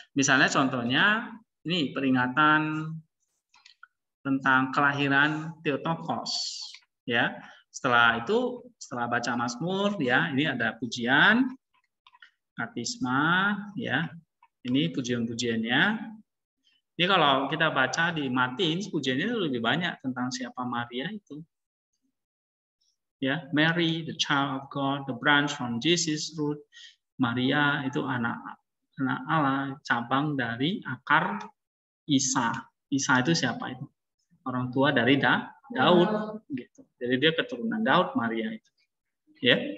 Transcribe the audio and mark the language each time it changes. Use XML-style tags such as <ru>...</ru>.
<id>Misalnya contohnya ini peringatan tentang kelahiran Theotokos, ya. Setelah itu, setelah baca Mazmur, ya, ini ada pujian Katisma, ya. Ini pujian-pujiannya. Ini kalau kita baca di Martin, pujiannya itu lebih banyak tentang siapa Maria itu.</id> <en>Ya, Mary, the child of God, the branch from Jesus root.</en> <id>Maria itu anak Allah, cabang dari akar Isa. Isa itu siapa itu? Orang tua dari Daud. Gitu. Jadi dia keturunan Daud, Maria itu. Ya.</id>